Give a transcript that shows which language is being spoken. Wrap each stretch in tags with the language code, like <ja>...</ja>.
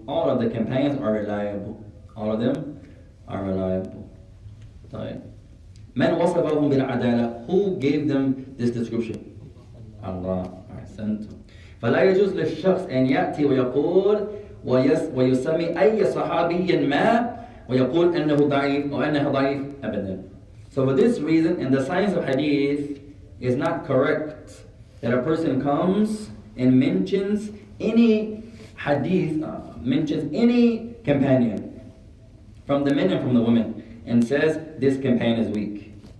<en>All of the companions are reliable. All of them are reliable.</en> <ar>طيب. من وصفهم بالعدالة?</ar> <en>Who gave them this description? Allah. I sent.</en> <ar>فلا يجوز للشخص أن يأتي ويقول ويسمي أي صحابي ما ويقول أنه ضعيف أو أنه ضعيف أبدا.</ar> <en>So for this reason, in the science of hadith, it's not correct that a person comes and mentions any hadith, mentions any companion from the men and from the women, and says, this companion is weak.</en>